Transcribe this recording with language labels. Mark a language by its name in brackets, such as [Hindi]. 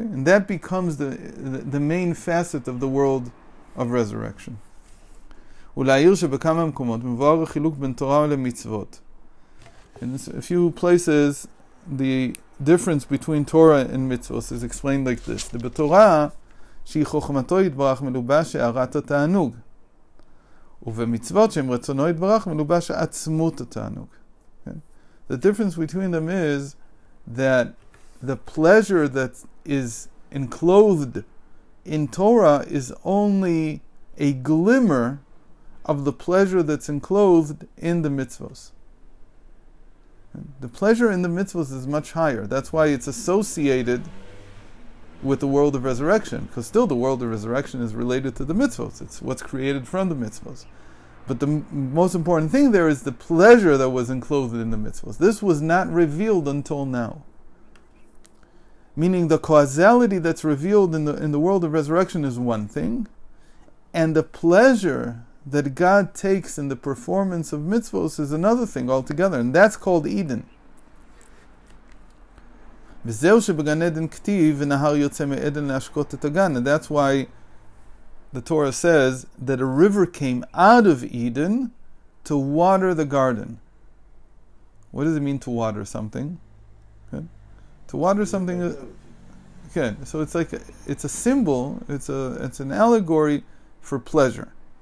[English] And that becomes the main facet of the world of resurrection. [Hebrew] ולהעיר שבכמה מקומות מבואר החילוק בין תורה למצוות. [English] In a few places, the difference between Torah and mitzvot is explained like this. The Torah, [Hebrew] שהיא חוכמתו יתברך מלובש הערת התענוג. ובמצוות שהם רצונו יתברך מלובש עצמות התענוג. [English] The difference between them is that the pleasure that is enclosed in Torah is only a glimmer of the pleasure that's enclosed in the mitzvot. The pleasure in the mitzvot is much higher. That's why it's associated with the world of resurrection, because still the world of resurrection is related to the mitzvot. It's what's created from the mitzvot. But the most important thing there is the pleasure that was enclosed in the mitzvot. This was not revealed until now. Meaning the causality that's revealed in the world of resurrection is one thing, and the pleasure that God takes in the performance of mitzvot is another thing altogether, and that's called Eden. [Hebrew] וזהו שבגן עדן כתיב ונהר יוצא מעדן להשקות את הגן. [English] And that's why the Torah says that a river came out of Eden to water the garden. What does it mean to water something? Okay. To water something... Okay, so it's like it's a symbol, it's an allegory for pleasure.